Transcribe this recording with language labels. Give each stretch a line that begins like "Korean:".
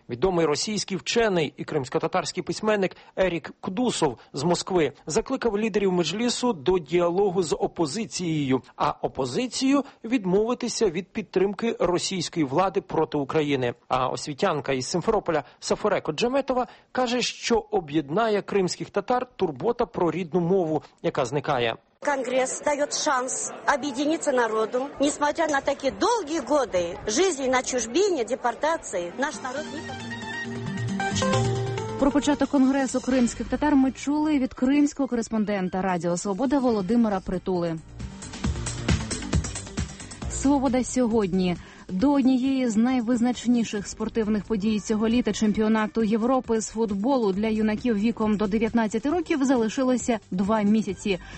Ukrainian: Відомий російський вчений і кримсько-татарський письменник Ерік Кдусов з Москви закликав лідерів Меджлісу до діалогу з опозицією, а опозицію відмовитися від підтримки російської влади проти України. А освітянка із Сімферополя Сафореко Джаметова каже, що об'єднає кримських татар турбота про рідну мову, яка зникає.
Russian: Конгресс дает шанс объединиться народу, несмотря на такие долгие годы жизни на чужбине, депортации, наш народ не...
Ukrainian: Про початок конгресу кримських татар ми чули від кримського кореспондента Радіо Свобода Володимира Притули. Свобода сьогодні. До однієї з найвизначніших спортивних подій цього літа чемпіонату Європи з футболу для юнаків віком до 19 років залишилося 2 місяці.